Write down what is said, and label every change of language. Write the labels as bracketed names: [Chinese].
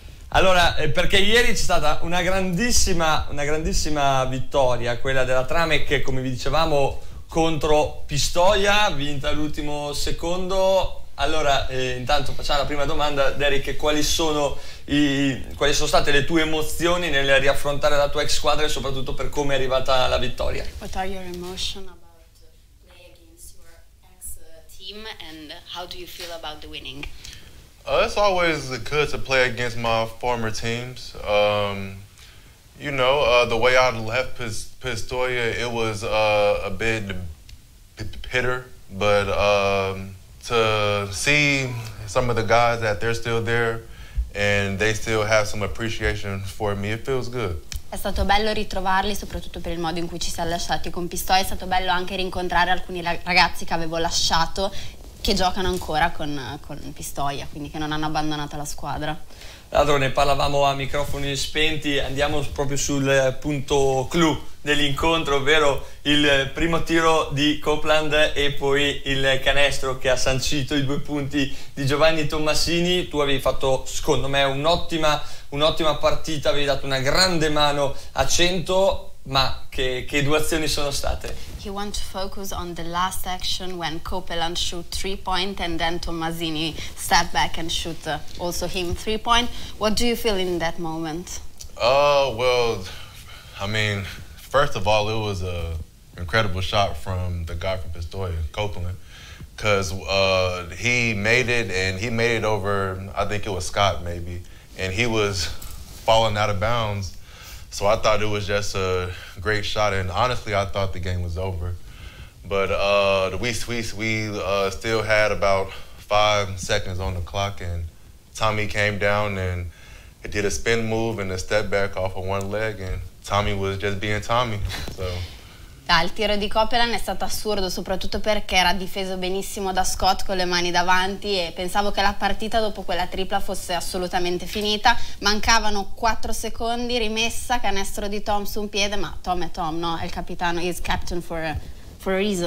[Italian] Allora, perché ieri c'è stata una grandissima vittoria, quella della Tramec, come vi dicevamo, contro Pistoia, vinta all'ultimo secondo. Allora, intanto facciamo la prima domanda, Derek: quali sono state le tue emozioni nel riaffrontare la tua ex squadra e soprattutto per come è arrivata la vittoria? [English] What are your emotions about playing against your ex team and how do you feel about the winning? It's always good to play against my former teams. You know, the way I left Pistoia, it was a bit bitter, but to see some of the guys that they're still there and they still have some appreciation for me, it feels good. [Italian] È stato bello ritrovarli, soprattutto per il modo in cui ci siamo lasciati con Pistoia. È stato bello anche rincontrare alcuni ragazzi che avevo lasciato, che giocano ancora con Pistoia, quindi che non hanno abbandonato la squadra. Tra l'altro ne parlavamo a microfoni spenti, andiamo proprio sul punto clou dell'incontro, ovvero il primo tiro di Copeland e poi il canestro che ha sancito i due punti di Giovanni Tommasini. Tu avevi fatto, secondo me, un'ottima partita, avevi dato una grande mano a 100, ma che due azioni sono state? [English] He wants to focus on the last action when Copeland shoot 3-point and then Tommasini step back and shoot also him 3-point. What do you feel in that moment? First of all, it was a incredible shot from the guy from Pistoia, Copeland, because he made it, and he made it over, I think it was Scott maybe, and he was falling out of bounds. So I thought it was just a great shot, and honestly, I thought the game was over. But we still had about 5 seconds on the clock, and Tommy came down and he did a spin move and a step back off of one leg, and Tommy was just being Tommy. So. [Italian] Il tiro di Copeland è stato assurdo, soprattutto perché era difeso benissimo da Scott con le mani davanti, e pensavo che la partita dopo quella tripla fosse assolutamente finita. Mancavano 4 secondi, rimessa, canestro di Tom su un piede, ma Tom è Tom, no? È il capitano, [English] he's captain for a reason.